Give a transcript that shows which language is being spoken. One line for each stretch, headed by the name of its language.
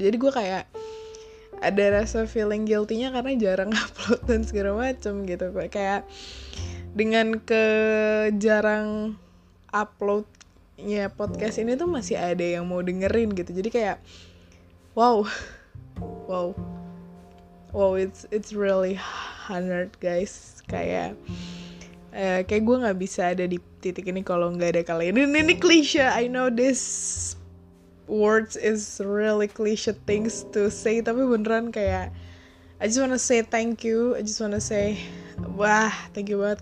Indonesian: Jadi gue kayak ada rasa feeling guilty-nya karena jarang upload dan segala macem gitu. Kayak dengan kejarang uploadnya podcast ini tuh masih ada yang mau dengerin gitu. Jadi kayak
English: wow, it's really honored guys.
Indonesian: Kayak kayak gue gak bisa ada di titik ini kalau gak ada kalian.
English: Ini cliche, I know this words is really cliche things to say,
Indonesian: tapi beneran kayak
English: I just wanna say thank you, I just wanna say
Indonesian: wah,
English: thank you
Indonesian: banget.